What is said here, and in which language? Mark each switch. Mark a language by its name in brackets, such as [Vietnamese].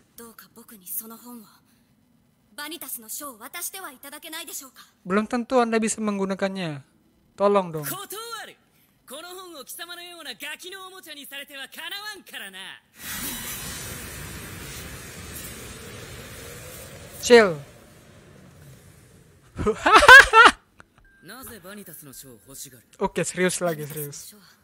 [Japanese] どうか僕にその本をバニタスの書を渡してはいただけないでしょうか。 [Indonesian] Belum tentu anda bisa menggunakannya. Tolong dong. [Japanese] 断る。この本を貴様のようなガキのおもちゃにされてはかなわんからな。 [English] Chill. [Japanese] なぜバニタスの書を欲しがる。 [Indonesian] OK, serius lagi, serius.